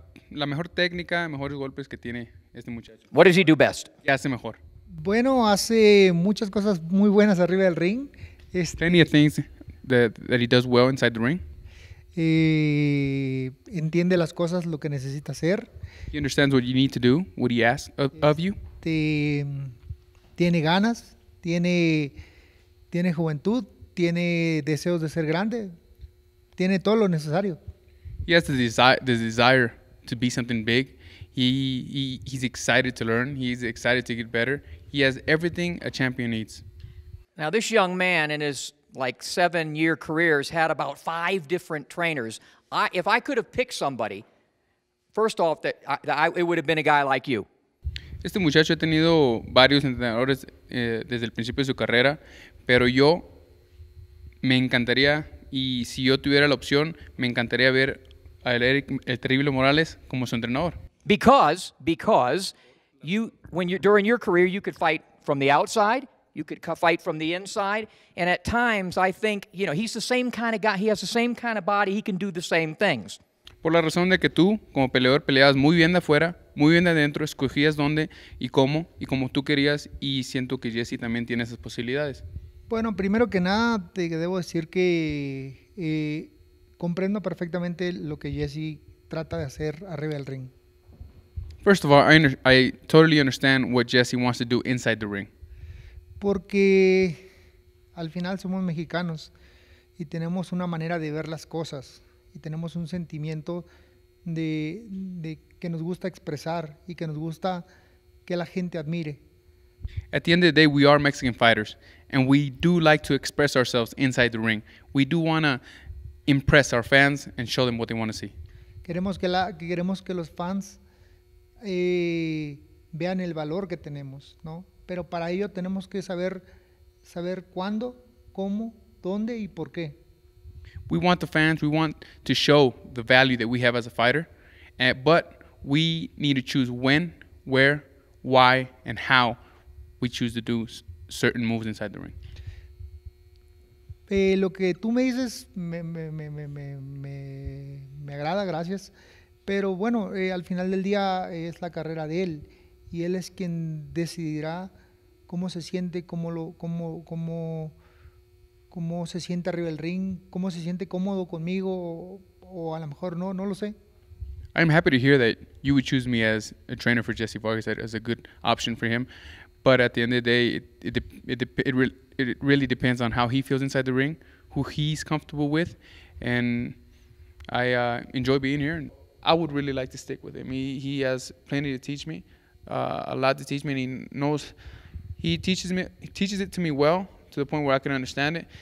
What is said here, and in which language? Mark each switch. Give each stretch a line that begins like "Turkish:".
Spanish: La mejor técnica, mejores golpes que tiene este muchacho.
English: What does he do best?
Spanish: ¿Qué hace mejor? Bueno, hace muchas cosas muy buenas arriba del ring.
English: Plenty of things that he does well inside the ring.
Spanish: Entiende las cosas, lo que necesita hacer.
English: He understands what you need to do, what he asks of you.
Spanish: Tiene ganas, tiene juventud, tiene deseos de ser grande, tiene todo lo necesario.
English: He has the desire to be something big. He's excited to learn. He's excited to get better. He has everything a champion needs. Now, this young man in his like 7-year career has had about 5 different trainers. If I could have picked somebody, first off, it would have been a guy like you.
Spanish: Este muchacho ha tenido varios entrenadores desde el principio de su carrera, pero yo me encantaría, y si yo tuviera la opción, me encantaría ver a el Terrible Morales como su entrenador.
English: Because you, when you, during your career, you could fight from the outside, you could fight from the inside, and at times I think, you know, he's the same kind of guy, he has the same kind of body, he can do the same things.
Spanish: Por la razón de que tú, como peleador, peleabas muy bien de afuera, muy bien de adentro, escogías dónde y cómo tú querías, y siento que Jessie también tiene esas posibilidades. Bueno, primero que nada, te debo decir que comprendo perfectamente lo que Jessie trata de hacer arriba del ring.
English: First of all, I totally understand what Jessie wants to do inside the ring.
Spanish: porque al final somos mexicanos y tenemos una manera de ver las cosas y tenemos un sentimiento de que nos gusta expresar y que nos gusta que la gente admire.
English: At the end of the day, we are Mexican fighters, and we do like to express ourselves inside the ring. We do want to impress our fans and show them what they want to see.
Spanish: Queremos que los fans vean el valor que tenemos, ¿no? Pero para ello tenemos que saber cuándo, cómo, dónde y por qué.
English: We want the fans, we want to show the value that we have as a fighter, but we need to choose when, where, why, and how we choose to do certain moves inside the ring.
Spanish: Lo que tú me dices me agrada, gracias. Pero bueno, al final del día es la carrera de él y él es quien decidirá cómo se siente, cómo se siente arriba del ring, cómo se siente cómodo conmigo o a lo mejor no lo sé.
English: I'm happy to hear that you would choose me as a trainer for Jessie Vargas as a good option for him. But at the end of the day, it really depends on how he feels inside the ring, who he's comfortable with, and I enjoy being here. And I would really like to stick with him. He has plenty to teach me, a lot to teach me, and he teaches it to me well, to the point where I can understand it.